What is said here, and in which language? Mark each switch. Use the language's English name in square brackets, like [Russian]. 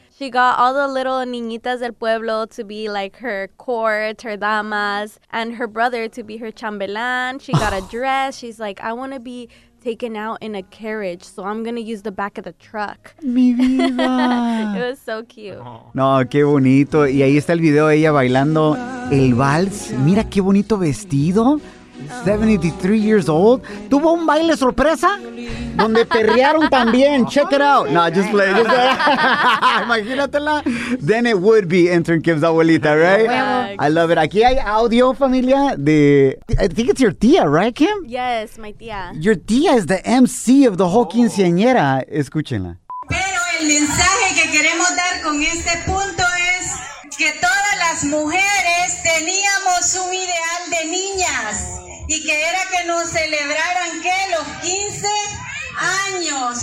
[English] She got all the little [Spanish] niñitas del pueblo [English] to be like her court, her damas, and her brother to be her chambelán. She got a dress. She's like, I want to be taken out in a carriage, so I'm going to use the back of the truck. [Spanish] Mi vida. [English] It was so cute. [Spanish] No, qué bonito. Y ahí está el video de ella bailando el vals. Mira qué bonito vestido. [English] 73 years old. [Spanish] Tuvo un baile sorpresa donde perrearon también. Check it out. No, just play. Just play. Imagínatela. [English] Then it would be intern Kim's abuelita, right? I love it. [Spanish] Aquí hay audio, familia, de, [English] I think it's your tía, right, [Spanish] Kim? [English] Yes, my tía. Your tía is the MC of the whole quinceañera. [Spanish] Escúchenla. Pero el mensaje que queremos dar con este punto es que todas las las mujeres teníamos un ideal de niñas y que era que nos celebraran que los 15 años.